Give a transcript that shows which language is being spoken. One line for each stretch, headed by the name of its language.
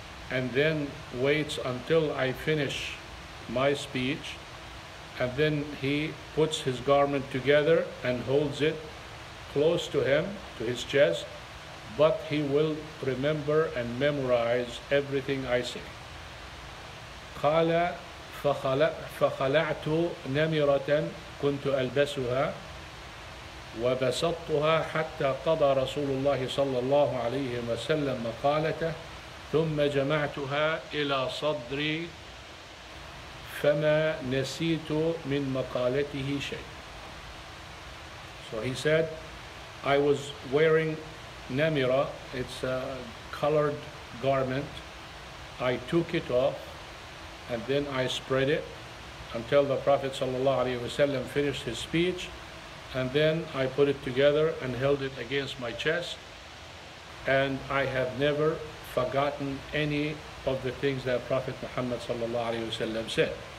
English: and then waits until I finish my speech, and then he puts his garment together and holds it close to him, to his chest, but he will remember and memorize everything I say.
Arabic: قَالَ فَخَلَعْتُ نَمِرَةً كُنْتُ أَلْبَسُهَا وَبَسَطْتُهَا حَتَّى قَضَى رَسُولُ اللَّهِ صَلَّى اللَّهُ عَلَيْهِ وَسَلَّمَ مَقَالَتَهُ ثُمَّ جَمَعْتُهَا إِلَى صَدْرِي فَمَا نَسِيتُ مِنْ مَقَالَتِهِ شَيْءٍ
English: So he said, I was wearing namira, it's a colored garment. I took it off and then I spread it until the Prophet sallallahu alaihi wasallam finished his speech. And then I put it together and held it against my chest. And I have never forgotten any of the things that Prophet Muhammad sallallahu alaihi wasallam said.